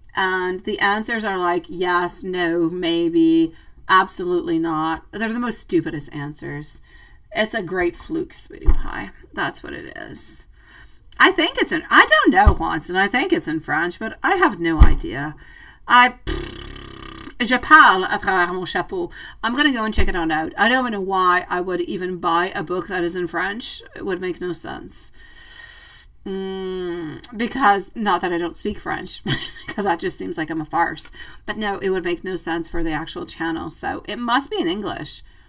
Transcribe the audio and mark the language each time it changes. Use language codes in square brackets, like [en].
[en] And the answers are like yes, no, maybe, absolutely not. They're the most stupidest answers. It's a great fluke, sweetie pie. That's what it is. I think it's in, I don't know, Watson. I think it's in French, but I have no idea. [fr] Je parle à travers mon chapeau. [en] I'm gonna go and check it on out. I don't know why I would even buy a book that is in French. It would make no sense. Because not that I don't speak French, because that just seems like I'm a farce. But no, it would make no sense for the actual channel. So it must be in English.